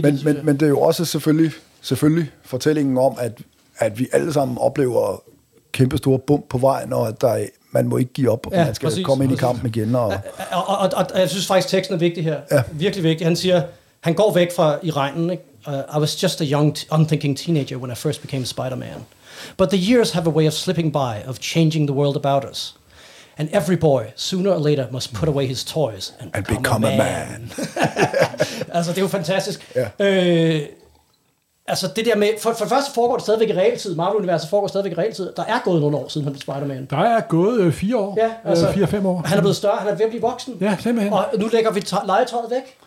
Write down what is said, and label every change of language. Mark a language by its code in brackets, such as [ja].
[da] det. Men det er jo også selvfølgelig fortællingen om, at vi alle sammen oplever kæmpe store bump på vejen, og at man må ikke give op, og man skal komme ind i kampen igen. Og jeg synes faktisk, teksten er vigtig her. Ja. Virkelig vigtig. Han siger, han går væk fra i regnen. [en] I was just a young, unthinking teenager when I first became Spider-Man. But the years have a way of slipping by, of changing the world about us. And every boy, sooner or later, must put away his toys and become a man. [da] Altså, det er jo fantastisk. Altså det der med, for det første foregår det stadigvæk i realtid. Marvel-universet foregår stadigvæk i realtid. Der er gået nogle år siden, han blev Spider-Man. Der er gået 4 år. Ja, altså, 4-5 år. Han er blevet større, han er ved at blive voksen. Ja, simpelthen. Og nu lægger vi legetøjet væk.